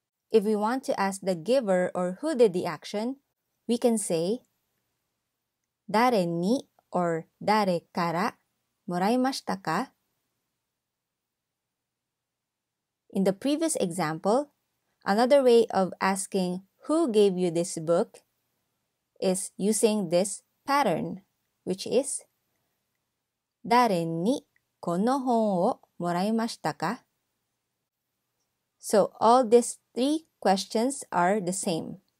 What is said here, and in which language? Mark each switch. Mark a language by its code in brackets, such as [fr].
[en] If we want to ask the giver or who did the action, we can say, [ja] 誰に or 誰からもらいましたか? [en] In the previous example, another way of asking who gave you this book is using this pattern, which is [ja] 誰にこの本をもらいましたか? [en] So all these three questions are the same.